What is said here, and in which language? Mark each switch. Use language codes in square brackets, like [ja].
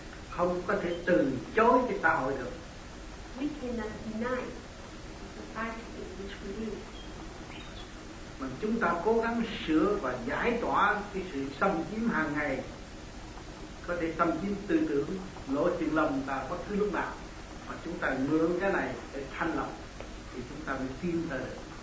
[vi] Không có thể từ chối cái xã hội được. [en] We cannot deny the society in which we live. [vi] Mà chúng ta cố gắng sửa và giải tỏa cái sự xâm chiếm hàng ngày, có thể xâm chiếm tư tưởng, lỗi chuyện lòng và bất cứ lúc nào, mà chúng ta mượn cái này để thanh lọc thì chúng ta mới tiến tới được.